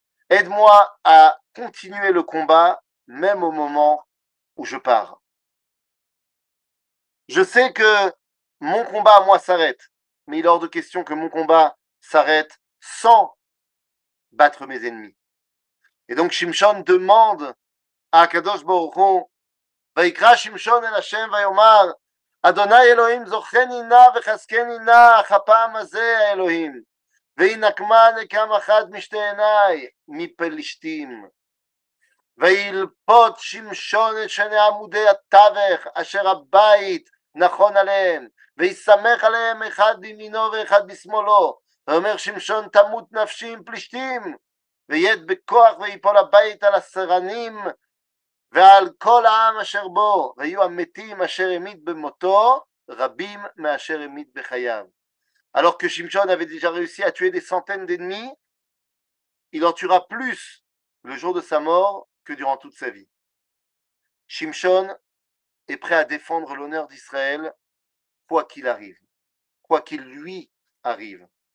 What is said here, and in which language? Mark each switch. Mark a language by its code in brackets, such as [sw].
[fr] Aide-moi à continuer le combat, même au moment où je pars. Je sais que mon combat, moi, s'arrête, mais il est hors de question que mon combat s'arrête sans battre mes ennemis. Et donc, Shimshon demande à Kadosh Baruch Hu, [he] « Vaikra Shimshon el Hashem vayomar, Adonai Elohim zocheni na vechaskeni na hapam hazeh Elohim, veinakma nekam achad mishte enai mipelishtim. » וילפוט שמשון את שני עמודי התווך אשר הבית נכון עליהם ויסמך עליהם אחד במינו ואחד בשמאלו ואומר שמשון תמות נפשי עם פלישתים וית בכוח ויפול הבית על הסרנים ועל כל העם אשר בו ויהיו המתים אשר המית במותו רבים מאשר המית בחייו. [fr] Alors que Shimshon avait déjà réussi à tuer des centaines d'ennemis, il en tuera plus le jour de sa mort que durant toute sa vie. Shimshon est prêt à défendre l'honneur d'Israël quoi qu'il arrive, quoi qu'il lui arrive.